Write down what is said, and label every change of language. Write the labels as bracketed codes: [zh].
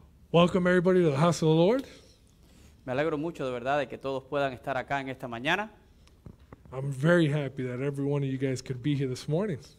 [en] Welcome everybody to the house of the Lord. [es] Me alegro mucho de verdad de que todos puedan estar acá en esta mañana. [en] I'm very happy that every one of you guys could be here this morning.